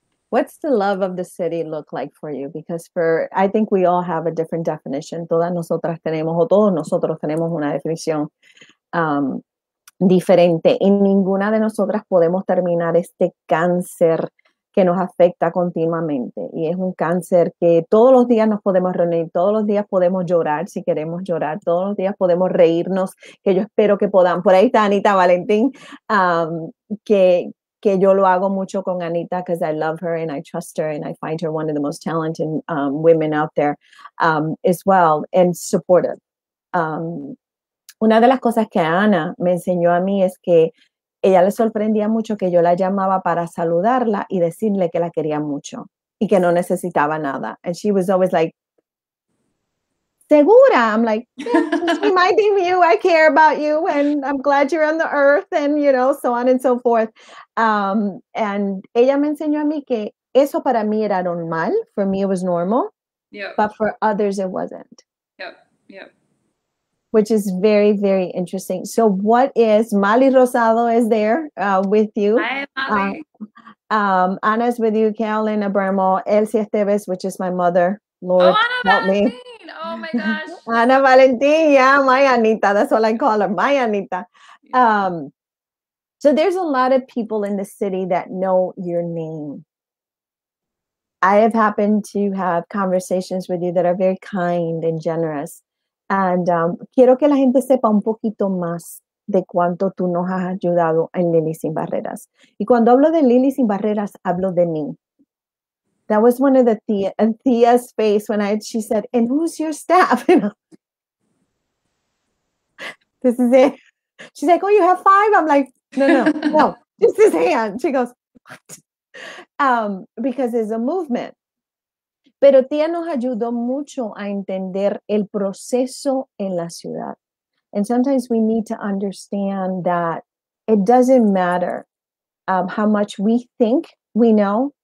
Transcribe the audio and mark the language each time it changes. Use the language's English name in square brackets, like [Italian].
[English] What's the love of the city look like for you? Because for I think we all have a different definition. [Spanish] Todas nosotras tenemos o todos nosotros tenemos una definición diferente. Y ninguna de nosotras podemos terminar este cáncer que nos afecta continuamente. Y es un cáncer que todos los días nos podemos reunir, todos los días podemos llorar si queremos llorar, todos los días podemos reírnos, que yo espero que podamos. Por ahí está Anita Valentín, que yo lo hago mucho con Anita [English] because I love her and I trust her and I find her one of the most talented women out there as well and supportive. [Spanish] Una de las cosas que Ana me enseñó a mí es que ella le sorprendía mucho que yo la llamaba para saludarla y decirle que la quería mucho y que no necesitaba nada. [English] And she was always like, [Spanish] ¿segura? [English] I'm like, yeah, just reminding you, I care about you and I'm glad you're on the earth and so on and so forth. [Spanish] And ella me enseñó a mí que eso para mí era normal. [English] For me, it was normal. But for others, it wasn't. Which is very, very interesting. So, what is Mali Rosado is there with you? Hi, Molly. Anna's with you, Carolyn Abramo, Elsie Esteves, which is my mother. Lord, help Oh, me. Anna Valentine. Oh my gosh. Ana Valentina, yeah, my Anita. That's what I call her, my Anita. So there's a lot of people in the city that know your name. I have happened to have conversations with you that are very kind and generous. [Spanish] And quiero que la gente sepa un poquito más de cuánto tú nos has ayudado en Lili Sin Barreras. Y cuando hablo de Lili Sin Barreras, hablo de mí. [English] That was one of the Thea, and Thea's face when she said, "And who's your staff?" You know, this is it. She's like, "Oh, you have five." I'm like, "No, just his hand." She goes, "What?" Because it's a movement. [Spanish] Pero Thea nos ayudó mucho a entender el proceso en la ciudad, [English] and sometimes we need to understand that it doesn't matter how much we think we know.